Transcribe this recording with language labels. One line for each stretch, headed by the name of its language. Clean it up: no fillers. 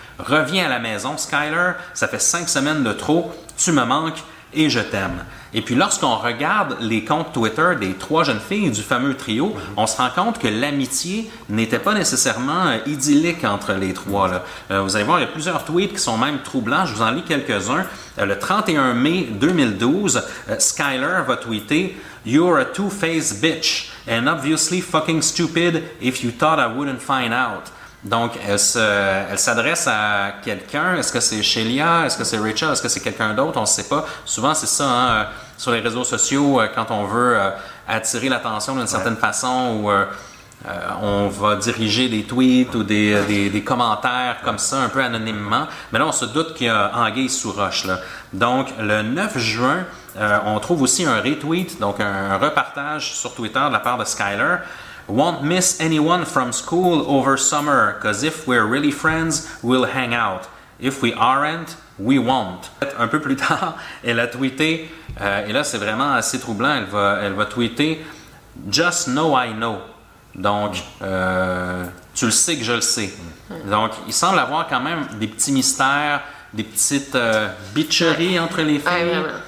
French: Reviens à la maison, Skyler. Ça fait 5 semaines de trop. Tu me manques et je t'aime. » Et puis lorsqu'on regarde les comptes Twitter des trois jeunes filles du fameux trio, on se rend compte que l'amitié n'était pas nécessairement idyllique entre les trois. Là. Vous allez voir, il y a plusieurs tweets qui sont même troublants. Je vous en lis quelques-uns. Le 31 mai 2012, Skyler va tweeter «
English: You're a two-faced bitch and obviously fucking stupid if you thought I wouldn't find out ».
French: Donc, elle s'adresse à quelqu'un. Est-ce que c'est Shelia? Est-ce que c'est Rachel? Est-ce que c'est quelqu'un d'autre? On ne sait pas. Souvent, c'est ça, hein, sur les réseaux sociaux, quand on veut attirer l'attention d'une certaine façon ou on va diriger des tweets ou des commentaires comme ça, un peu anonymement. Mais là, on se doute qu'il y a anguille sous roche, là. Donc, le 9 juin, on trouve aussi un retweet, donc un repartage sur Twitter de la part de Skyler.
English: Won't miss anyone from school over summer, because if we're really friends, we'll hang out. If we aren't, we won't.
French: Un peu plus tard, elle a tweeté, et là c'est vraiment assez troublant, elle va tweeter,
English: just know I know.
French: Donc, tu le sais que je le sais. Donc, il semble avoir quand même des petits mystères, des petites bitcheries entre les filles.